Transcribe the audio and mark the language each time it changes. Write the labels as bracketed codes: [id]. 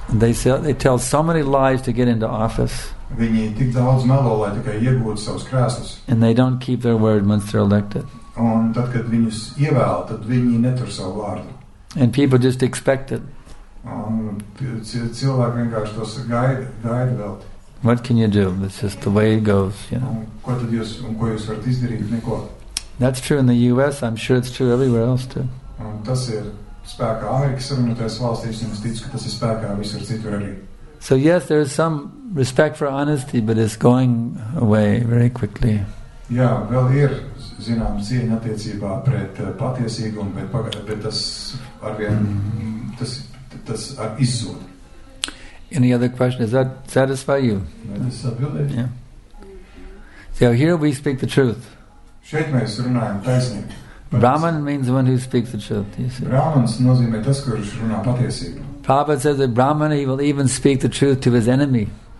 [en] They tell so many lies to get into office. [lv] Viņi tik daudz melo, lai tikai iegūtu savus krēslus. [en] And they don't keep their word once they're elected. [lv] Un tad, kad viņus ievēl, tad viņi netur savu vārdu. [en] And people just expect it. [lv] Un cilvēki vienkārši tos gaida vēl. [en] What can you do? It's just the way it goes, you know. [lv] Ko tad jūs, un ko jūs varat izdarīt? Neko. [en] That's true in the US, I'm sure it's true everywhere else too. [lv] Un tas ir spēkā Amerikas Savienotajās valstīs, un es ticu, ka tas ir spēkā visur citur arī. [en] So yes, there is some respect for honesty, but it's going away very quickly. [lv] Jā, vēl ir, zinām, cieņa attiecībā pret patiesīgumu, bet tas arvien, tas ar izzūd. [en] Any other question? Does that satisfy you? [lv] Tas atbildēs. [en] Yeah. So here we speak the truth. [lv] Šeit mēs runājam taisnību. [en] Brahman means one who speaks the truth, you see. [lv] Brahmans nozīmē tas, kurš runā patiesību. [en] Prabhupada says that Brahman, he will even speak the truth to his enemy.